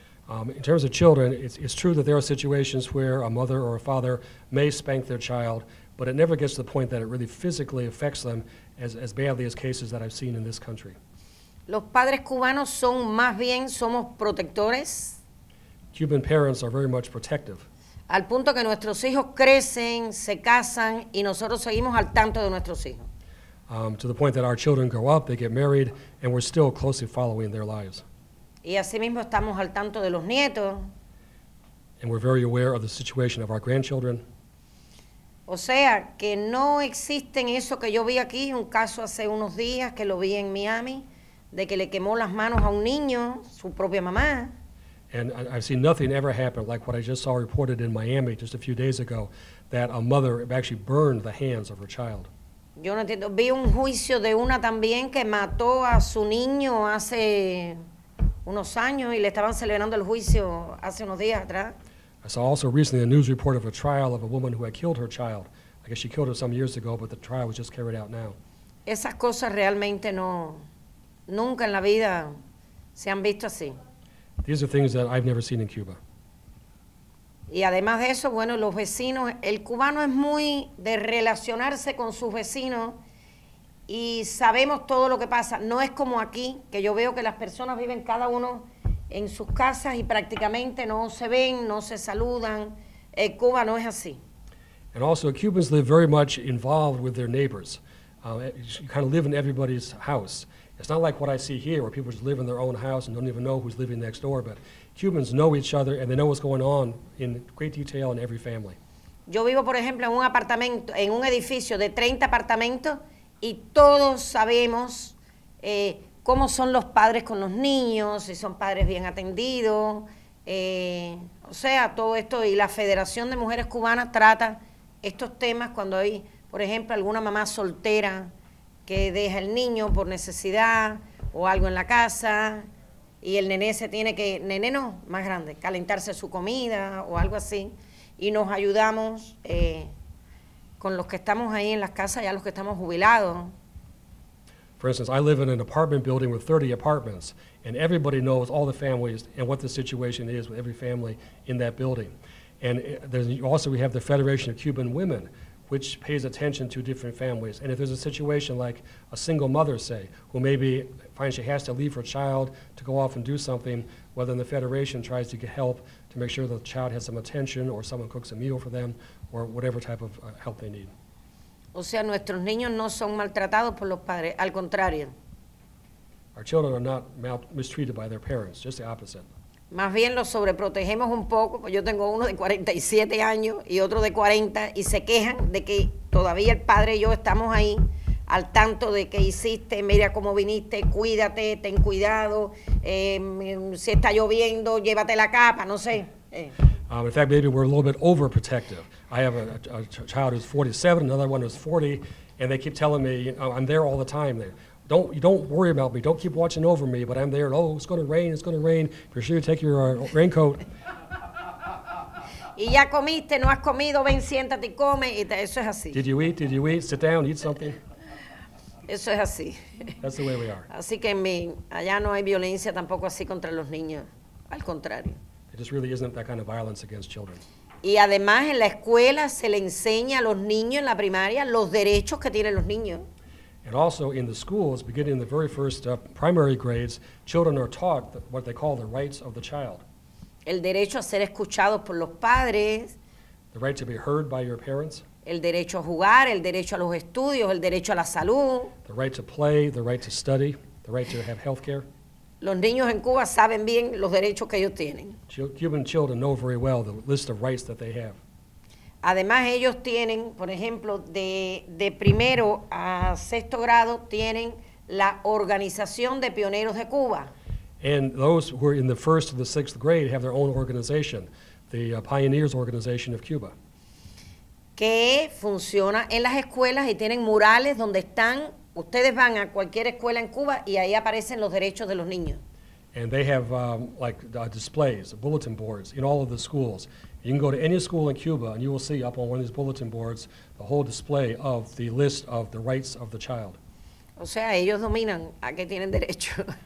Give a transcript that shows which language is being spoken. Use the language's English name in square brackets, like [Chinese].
[English] In terms of children, it's true that there are situations where a mother or a father may spank their child, but it never gets to the point that it really physically affects them as badly as cases that I've seen in this country. [Spanish] Los padres cubanos son más bien, somos protectores. [English] Cuban parents are very much protective. [Spanish] Al punto que nuestros hijos crecen, se casan, y nosotros seguimos al tanto de nuestros hijos. [English] To the point that our children grow up, they get married, and we're still closely following their lives. [Spanish] Y así mismo estamos al tanto de los nietos. [English] And we're very aware of the situation of our grandchildren. [Spanish] O sea, que no existen eso que yo vi aquí, un caso hace unos días que lo vi en Miami, de que le quemó las manos a un niño, su propia mamá. [English] And I've seen nothing ever happen like what I just saw reported in Miami just a few days ago, that a mother actually burned the hands of her child. [Spanish] Yo no entiendo. Vi un juicio de una también que mató a su niño hace unos años y le estaban celebrando el juicio hace unos días atrás. [English] I saw also recently a news report of a trial of a woman who had killed her child. I guess she killed her some years ago, but the trial was just carried out now. [Spanish] Esas cosas realmente no, nunca en la vida se han visto así. [English] These are things that I've never seen in Cuba. [Spanish] Y además de eso, bueno, los vecinos, el cubano es muy de relacionarse con sus vecinos y sabemos todo lo que pasa. No es como aquí, que yo veo que las personas viven cada uno en sus casas y prácticamente no se ven, no se saludan, Cuba no es así. [English] And also, Cubans live very much involved with their neighbors. You kind of live in everybody's house. It's not like what I see here, where people just live in their own house and don't even know who's living next door, but Cubans know each other and they know what's going on in great detail in every family. [Spanish] Yo vivo, por ejemplo, en un apartamento, en un edificio de 30 apartamentos, y todos sabemos cómo son los padres con los niños, si son padres bien atendidos, o sea, todo esto. Y la Federación de Mujeres Cubanas trata estos temas cuando hay, por ejemplo, alguna mamá soltera que deja el niño por necesidad o algo en la casa, y el nené se tiene que, nené no, más grande, calentarse su comida o algo así, y nos ayudamos con los que estamos ahí en las casas, ya los que estamos jubilados. [English] For instance, I live in an apartment building with 30 apartments, and everybody knows all the families and what the situation is with every family in that building. And there's also, we have the Federation of Cuban Women, which pays attention to different families. And if there's a situation like a single mother, say, who maybe finds she has to leave her child to go off and do something, well, then the Federation tries to get help to make sure the child has some attention or someone cooks a meal for them or whatever type of help they need. [Spanish] O sea, nuestros niños no son maltratados por los padres, al contrario. [English] Our children are not mistreated by their parents, just the opposite. [Spanish] Más bien los sobreprotegemos un poco, porque yo tengo uno de 47 años y otro de 40, y se quejan de que todavía el padre y yo estamos ahí al tanto de qué hiciste, mira cómo viniste, cuídate, ten cuidado, si está lloviendo, llévate la capa, no sé. [English] In fact, maybe we're a little bit overprotective. I have a child who's 47, another one who's 40, and they keep telling me, you know, I'm there all the time. Don't worry about me. Don't keep watching over me, but I'm there. Oh, it's going to rain. It's going to rain. Be sure you take your raincoat. [Spanish] Y ya comiste. No has comido. Ven, siéntate y come. Eso es así. [English] Did you eat? Did you eat? Sit down. Eat something. [Spanish] Eso es así. [English] That's the way we are. [Spanish] Así que en mí, allá no hay violencia tampoco así contra los niños. Al contrario. [English] It just really isn't that kind of violence against children. [Spanish] Y además en la escuela se le enseña a los niños en la primaria los derechos que tienen los niños. [English] And also in the schools, beginning in the very first primary grades, children are taught what they call the rights of the child. [Spanish] El derecho a ser escuchados por los padres. [English] The right to be heard by your parents. [Spanish] El derecho a jugar, el derecho a los estudios, el derecho a la salud. [English] The right to play, the right to study, the right to have health care. [Spanish] Los niños en Cuba saben bien los derechos que ellos tienen. [English] Cuban children know very well the list of rights that they have. [Spanish] Además, ellos tienen, por ejemplo, de primero a sexto grado, tienen la Organización de Pioneros de Cuba. [English] And those who are in the first to the sixth grade have their own organization, the Pioneers Organization of Cuba. [Spanish] Que funciona en las escuelas y tienen murales donde están, ustedes van a cualquier escuela en Cuba y ahí aparecen los derechos de los niños. [English] And they have displays, bulletin boards in all of the schools. You can go to any school in Cuba and you will see up on one of these bulletin boards the whole display of the list of the rights of the child. [Spanish] O sea, ellos dominan a que tienen derecho.